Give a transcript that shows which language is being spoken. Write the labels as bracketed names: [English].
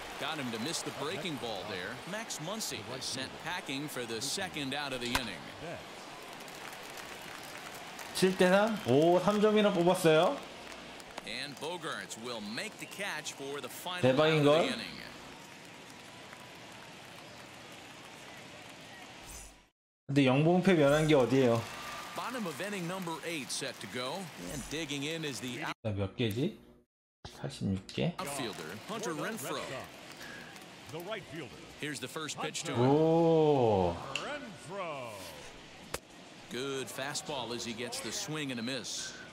[English] Got him to miss the breaking ball there. Max Muncy was sent packing for the second out of the inning. [Korean] 7-3? 오, 3점이나 뽑았어요. [English] And Bogarts will make the catch for the final out of the inning. [Korean] 근데 영봉패 면한 게 어디예요? [English] Bottom of inning number 8 set to go and digging in is the [Korean] 나 몇 개지? 86개. [English] Outfielder Hunter Renfro. The right fielder. Here's the first pitch to him. [Korean] 오. Renfro. [English] Good fastball as he gets the swing and a miss.